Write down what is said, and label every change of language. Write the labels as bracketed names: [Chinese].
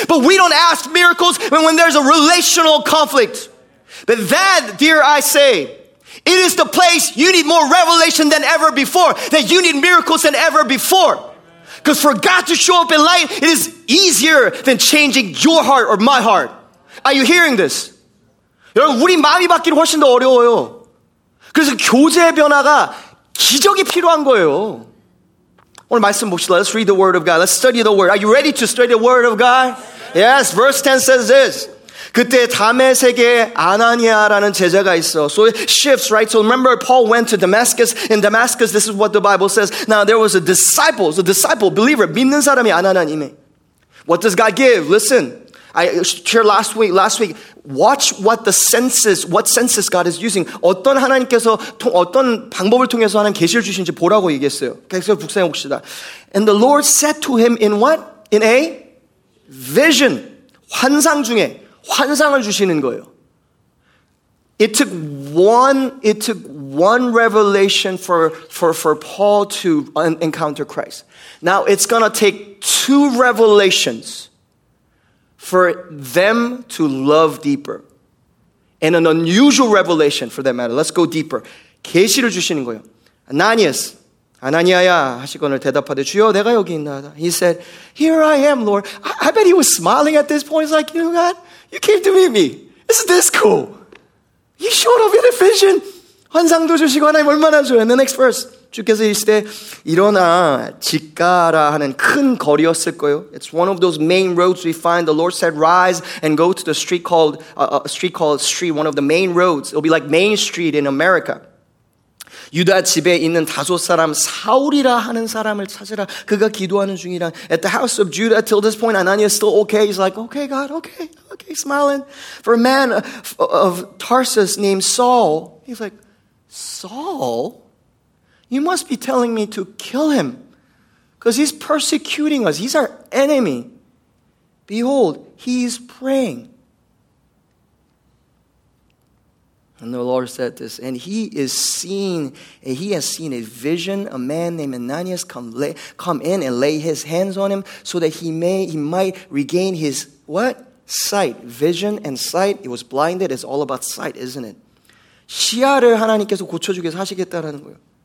[English] But we don't ask miracles when there's a relational conflict. But that, dear I say, it is the place you need more revelation than ever before. That you need miracles than ever before. Because for God to show up in light, it is easier than changing your heart or my heart. Are you hearing this? [Korean] 여러분, 우리 마음이 바뀌는 훨씬 더 어려워요. 그래서 교제의 변화가 기적이 필요한 거예요. 오늘 말씀 봅시다. [English] Let's read the word of God. Let's study the word. Are you ready to study the word of God? Yes, verse 10 says this. [Korean] 그때 다메섹에 아나니아라는 제자가 있어. [English] So it shifts, right? So remember, Paul went to Damascus. In Damascus, this is what the Bible says. Now, there was a disciple, believer, [Korean] 믿는 사람이 아나니아임에. [English] What does God give? Listen, I shared last week, watch what senses God is using. [Korean] 어떤 하나님께서, 어떤 방법을 통해서 하나님 계시를 주신지 보라고 얘기했어요. 계속 묵상해 봅시다. [English] And the Lord said to him in what? In a vision, [Korean] 환상 중에. 환상을 주시는 거예요. [English] It took one revelation for Paul to encounter Christ. Now it's gonna take two revelations for them to love deeper, and an unusual revelation for that matter. Let's go deeper. [Korean] 계시를 주시는 거예요. Ananias, 아나니아야 하시거늘 대답하되 주여 내가 여기 있나이다. [English] He said, "Here I am, Lord." I bet he was smiling at this point. He's like, "You know God? You came to meet me. Isn't this cool? You showed up in a vision. [Korean] 환상도 주시고 하나님 얼마나 좋아요. [English] And the next verse. [Korean] 주께서 이르시되 일어나 직가라 하는 큰 거리였을 거요. [English] It's one of those main roads we find. The Lord said, "Rise and go to the street called street." One of the main roads. It'll be like Main Street in America. [Korean] 유다 집에 있는 다소 사람 사울이라 하는 사람을 찾으라. 그가 기도하는 중이라. [English] At the house of Judah, till this point, Ananias is still okay. He's like, "Okay, God, okay, okay," smiling. For a man of Tarsus named Saul, he's like, "Saul, you must be telling me to kill him, because he's persecuting us. He's our enemy. Behold, he's praying." And the Lord said this, and he is seen, and he has seen a vision, a man named Ananias come in and lay his hands on him so that he might regain his, what? Sight. Vision and sight. It was blinded. It's all about sight, isn't it? [Korean] 시야를 하나님께서 고쳐주기에서 하시겠다라는 거예요.